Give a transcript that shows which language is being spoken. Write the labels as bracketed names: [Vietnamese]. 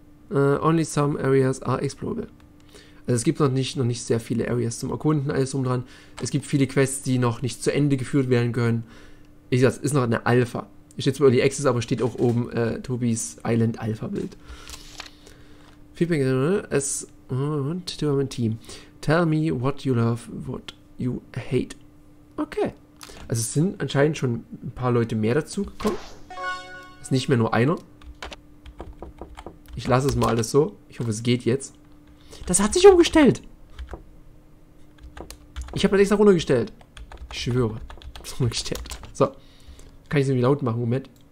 [English] Only some areas are explorable. [German] Also es gibt noch nicht sehr viele Areas zum Erkunden, alles drum dran. Es gibt viele Quests, die noch nicht zu Ende geführt werden können. Wie gesagt, ist noch eine Alpha. Ich stehe zwar Early Access, aber steht auch oben Tobi's Island Alpha Bild. [English] Feedback as a team. Tell me what you love, what you hate. Okay. [German] Also es sind anscheinend schon ein paar Leute mehr dazu gekommen. Es ist nicht mehr nur einer. Ich lasse es mal alles so. Ich hoffe, es geht jetzt. Das hat sich umgestellt. Ich habe das extra runtergestellt. Ich schwöre. Das ist umgestellt. So. Kann ich sie wieder laut machen? Moment.